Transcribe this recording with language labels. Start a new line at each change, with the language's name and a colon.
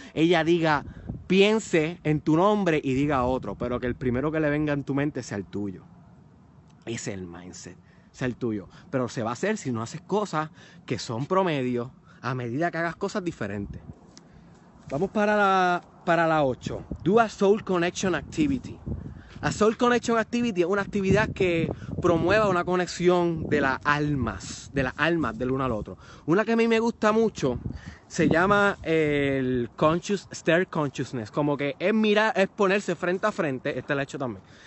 Spanish: Ella diga, piense en tu nombre y diga otro, pero que el primero que le venga en tu mente sea el tuyo. Ese es el mindset, sea el tuyo. Pero se va a hacer si no haces cosas que son promedio a medida que hagas cosas diferentes. Vamos para la 8.
English: Do a soul connection activity. A soul connection activity
Spanish: es una actividad que promueva una conexión de las almas. De las almas del uno al otro. Una que a mí me gusta mucho se llama el stare consciousness. Como que es mirar, es ponerse frente a frente. Este lo he hecho también.